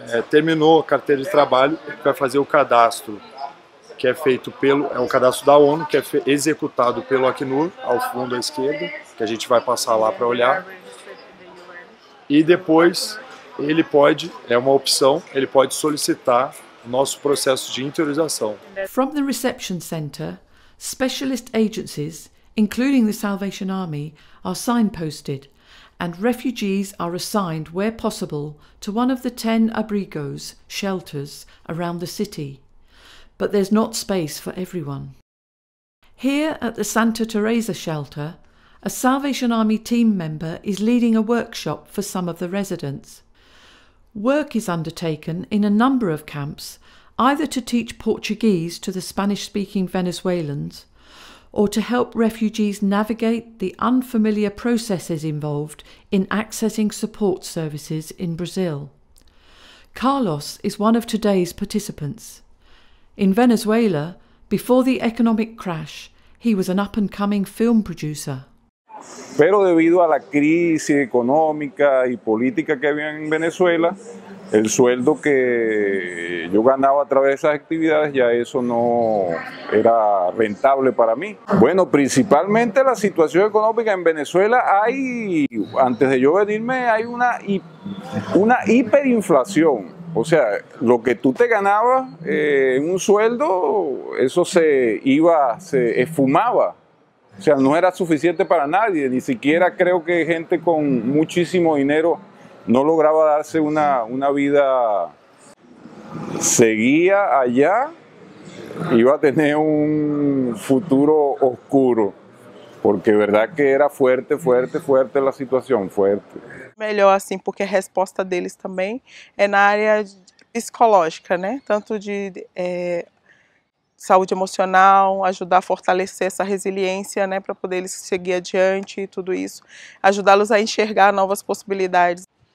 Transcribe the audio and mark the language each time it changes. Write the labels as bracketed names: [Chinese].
[Portuguese] Terminou a carteira de trabalho, vai fazer o cadastro, que é feito pelo, é um cadastro da ONU, que é executado pelo Acnur, ao fundo à esquerda, que a gente vai passar lá para olhar. E depois, ele pode, é uma opção, ele pode solicitar o nosso processo de interiorização. [English] From the reception center, specialist agencies, including the Salvation Army, are signposted, and refugees are assigned, where possible, to one of the 10 abrigos, shelters, around the city. But there's not space for everyone. Here at the Santa Teresa shelter, a Salvation Army team member is leading a workshop for some of the residents. Work is undertaken in a number of camps, either to teach Portuguese to the Spanish-speaking Venezuelans, or to help refugees navigate the unfamiliar processes involved in accessing support services in Brazil. Carlos is one of today's participants. In Venezuela, before the economic crash, he was an up-and-coming film producer. [Spanish] Pero debido a la crisis económica y política que había en Venezuela, el sueldo que yo ganaba a través de esas actividades ya eso no era rentable para mí. Bueno, principalmente la situación económica en Venezuela hay, antes de yo venirme, hay una hiperinflación. O sea, lo que tú te ganabas en un sueldo, eso se esfumaba. O sea, no era suficiente para nadie. Ni siquiera creo que gente con muchísimo dinero no lograba darse una vida. Seguía allá, iba a tener un futuro oscuro. [Portuguese] Porque é verdade que era forte, forte, forte a situação, forte. Melhor assim, porque a resposta deles também é na área psicológica, né? Tanto de saúde emocional, ajudar a fortalecer essa resiliência, né? Para poder eles seguir adiante e tudo isso. Ajudá-los a enxergar novas possibilidades.